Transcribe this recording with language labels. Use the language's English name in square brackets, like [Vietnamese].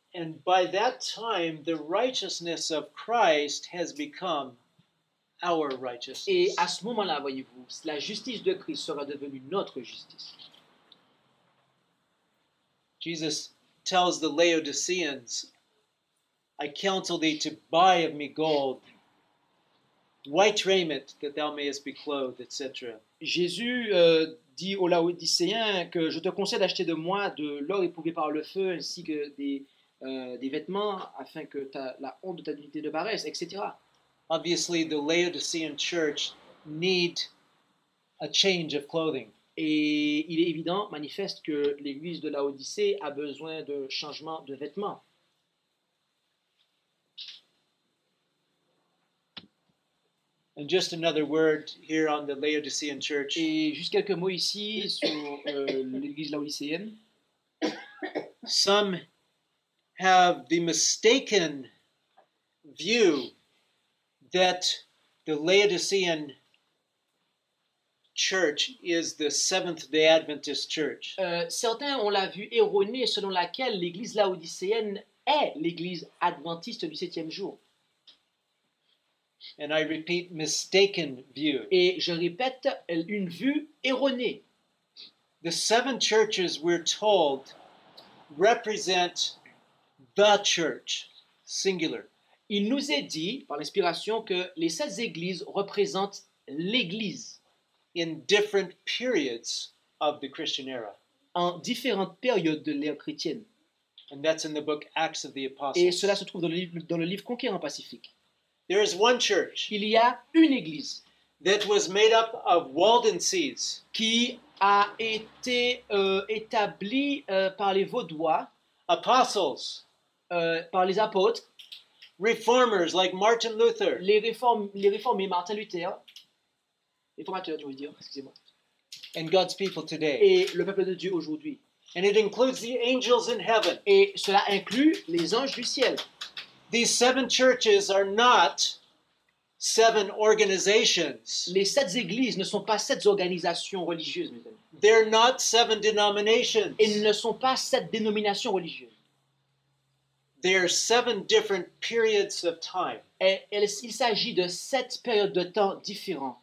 [English] And by that time, the righteousness of Christ has become our righteousness. [French] Et à ce moment-là, voyez-vous, la justice de Christ sera devenue notre justice. [English] Jesus tells the Laodiceans, I counsel thee to buy of me gold, white raiment, that thou mayest be clothed, etc. [French] Jésus dit aux Laodicéens que je te conseille d'acheter de moi de l'or éprouvé par le feu ainsi que des vêtements afin que la honte de ta dignité ne paraisse, etc. [English] Obviously, the Laodicean church need a change of clothing. [French] Et il est évident, manifeste, que l'église de Laodicée a besoin de changement de vêtements. [English] And just another word here on the Laodicean church. [French] Et juste quelques mots ici sur l'église laodicéenne. [English] Some have the mistaken view that the Laodicean church is the Seventh-day Adventist church. [French] Certains ont la vue erronée selon laquelle l'église laodicéenne est l'église adventiste du septième jour. [English] And I repeat, mistaken view. [French] Et je répète, une vue erronée. [English] The seven churches, we're told, represent the church, singular. [French] Il nous est dit, par l'inspiration, que les 16 églises représentent l'église. [English] In different periods of the Christian era. [French] En différentes périodes de l'ère chrétienne. [English] And that's in the book Acts of the Apostles. [French] Et cela se trouve dans le livre Conquérant Pacifique. [English] There is one church. [French] Il y a une église [English] that was made up of Waldenses [French] qui a été établie par les Vaudois, [English] apostles, [French] par les apôtres, [English] reformers like Martin Luther. [French] Les réformés Martin Luther. Réformateurs, je veux dire, excusez-moi. [English] And God's people today. [French] Et le peuple de Dieu aujourd'hui. [English] And it includes the angels in heaven. [French] Et cela inclut les anges du ciel. [English] These seven churches are not seven organizations. [French] Les sept églises ne sont pas sept organisations religieuses, mes amis. [English] They're not seven denominations. [French] Ils ne sont pas sept dénominations religieuses. [English] They are seven different periods of time. [French] Il s'agit de sept périodes de temps différents.